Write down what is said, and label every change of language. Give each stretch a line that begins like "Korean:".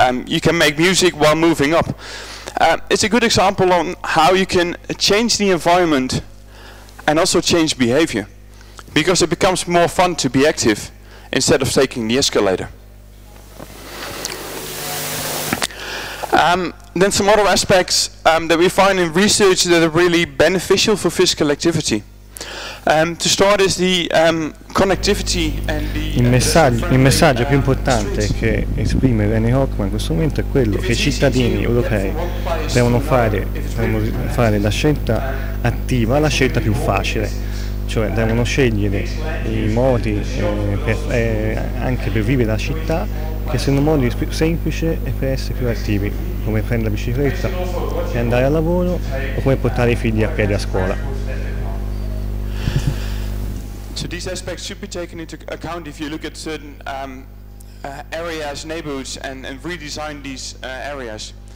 English: You can make music while moving up. It's a good example on how you can change the environment and also change behavior, because it becomes more fun to be active instead of taking the escalator. Then some other aspects that we find in research that are really beneficial for physical activity. To start is the connectivity and the
Italian: il messaggio più importante che esprime René Hockman in questo momento è quello che i cittadini europei devono fare la scelta attiva, la scelta più facile. cioè devono scegliere i modi anche per vivere la città, che sono modi semplici e per essere più attivi, come prendere la bicicletta e andare al lavoro o come portare i figli a piedi a scuola.
English: So these aspects should be taken into account if you look at certain areas, neighborhoods, and redesign these areas.